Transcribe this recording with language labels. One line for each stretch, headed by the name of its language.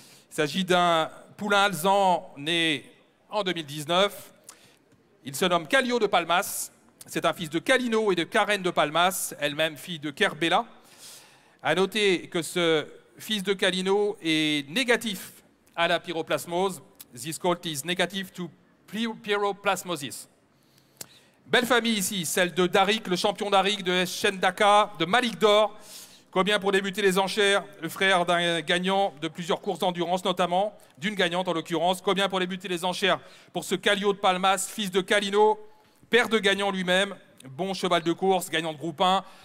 French: Il s'agit d'un poulain alezan né en 2019. Il se nomme Calio de Palmas. C'est un fils de Calino et de Karen de Palmas, elle-même fille de Kerbela. A noter que ce fils de Calino est négatif à la pyroplasmose.
English: This colt is negative to pyroplasmosis.
French: Belle famille ici, celle de Darik, le champion Darik, de Shendaka, de Malik Dor. Combien pour débuter les enchères, le frère d'un gagnant de plusieurs courses d'endurance notamment, d'une gagnante en l'occurrence. Combien pour débuter les enchères pour ce Calio de Palmas, fils de Calino, père de gagnant lui-même, bon cheval de course, gagnant de groupe 1.